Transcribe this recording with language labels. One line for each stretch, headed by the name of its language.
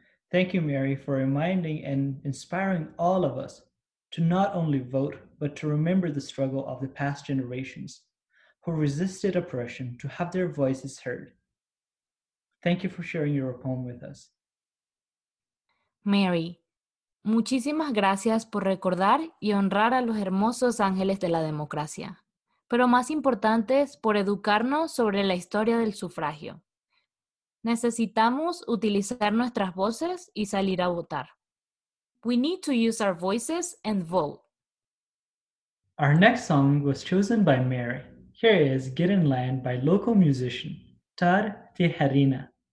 English: Thank you, Mary, for reminding and inspiring all of us to not only vote, but to remember the struggle of the past generations who resisted oppression to have their voices heard. Thank you for sharing your poem with us.
Spanish: Mary, muchísimas gracias por recordar y honrar a los hermosos ángeles de la democracia, pero más importante es por educarnos sobre la historia del sufragio. Necesitamos utilizar nuestras voces y salir a votar.
English: We need to use our voices and vote. Our next song was chosen by Mary. Here is Get in Line by local musician Tar Tijerina.